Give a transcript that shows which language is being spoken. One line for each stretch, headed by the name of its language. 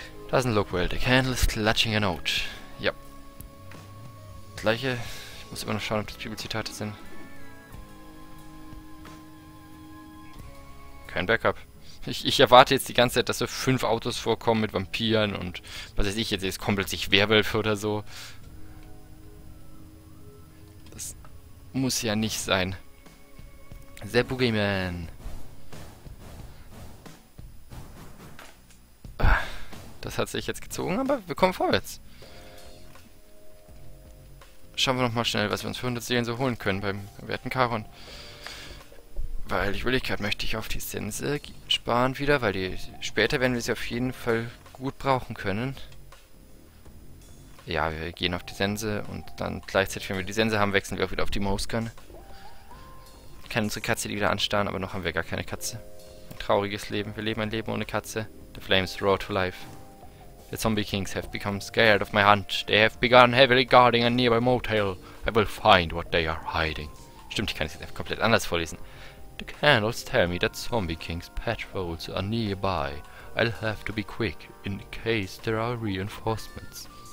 English: Doesn't look well. The candle is clutching a note.
German: Ja. Gleiche. Ich muss immer noch schauen, ob das Bibelzitate sind. Kein Backup. Ich erwarte jetzt die ganze Zeit, dass so fünf Autos vorkommen mit Vampiren und was weiß ich jetzt. Jetzt kommt plötzlich Werwölfe oder so. Das muss ja nicht sein. The Boogeyman. Das hat sich jetzt gezogen, aber wir kommen vorwärts. Schauen wir nochmal schnell, was wir uns für 100 Seelen so holen können beim werten Charon. Weil ich Willigkeit möchte ich auf die Sense sparen wieder, weil die später werden wir sie auf jeden Fall gut brauchen können. Ja, wir gehen auf die Sense und dann gleichzeitig, wenn wir die Sense haben, wechseln wir auch wieder auf die Mosgun. Ich kann unsere Katze wieder anstarren, aber noch haben wir gar keine Katze. Ein trauriges Leben. Wir leben ein Leben ohne Katze.
English: The flames roar to life. The zombie kings have become scared of my hunt. They have begun heavily guarding a nearby motel. I will find what they are hiding.
German: Stimmt, ich kann es jetzt komplett anders vorlesen.
English: The candles tell me that zombie kings patrols are nearby. I'll have to be quick in case there are reinforcements.